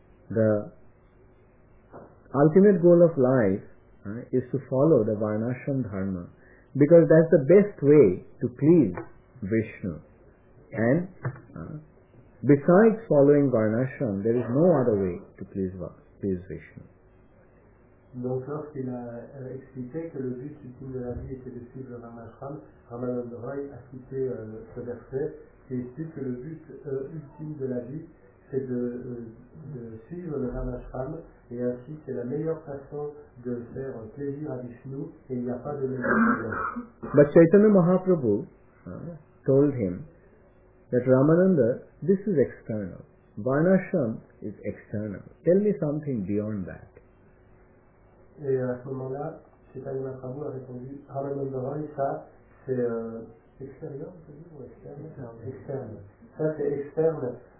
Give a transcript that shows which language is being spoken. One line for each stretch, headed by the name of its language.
English: The ultimate goal of life is to follow the Varnashram Dharma, because that's the best way to please Vishnu. And besides following Varnashram, there is no other way to please God.
French: Donc lorsqu'il a expliqué que le but ultime de la vie était de suivre le Ramachan, Ramananda Roy a cité ce verset qui explique que le but ultime de la vie c'est de suivre le Ramachan, et ainsi c'est la meilleure façon de faire plaisir à Vishnu, et il n'y a pas de meilleur moyen.
English: But Chaitanya Mahaprabhu told him that Ramananda, this is external. Varnashram is external. Tell me something beyond that.
French: Et à ce moment-là, Chaitanya Mahaprabhu a répondu, Ramananda Roy, ça c'est extérieur, on peut dire, ou externe? Externe. Ça c'est externe.